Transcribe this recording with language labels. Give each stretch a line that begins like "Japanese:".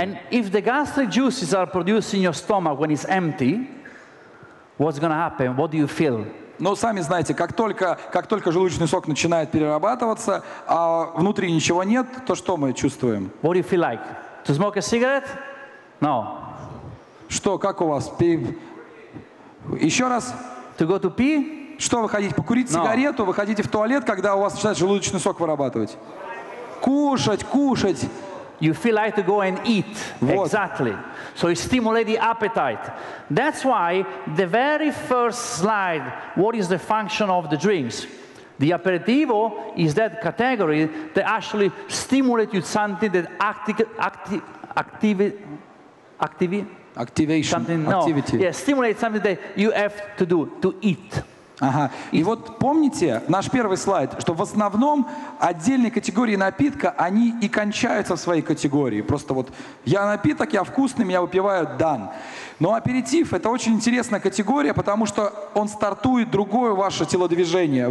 English: And if the gastric juices are produced in your stomach when it's empty, what's going to happen? What do you feel?
Russian: Но сами знаете, как только желудочный сок начинает перерабатываться, а внутри ничего нет, то что мы чувствуем?
English: What do you feel like? To smoke a cigarette? No.
Russian: Что, как у вас? Еще раз.
English: To go to pee?
Russian: Что, вы хотите покурить сигарету? Вы хотите в туалет, когда у вас начинает желудочный сок вырабатывать? Кушать.
English: You feel like to go and eat.
Russian: Вот.
English: Exactly. So it stimulates the appetite. That's why the very first slide, what is the function of the drinks? The aperitivo is that category that actually stimulates you something that Activation, something, activity. No. Yeah, stimulate something that you have to do, to eat.
Russian: Ага. И вот помните наш первый слайд, что в основном отдельные категории напитка, они и кончаются в своей категории. Просто вот я напиток, я вкусный, меня выпивают, дан. Но аперитив – это очень интересная категория, потому что он стартует другое ваше телодвижение.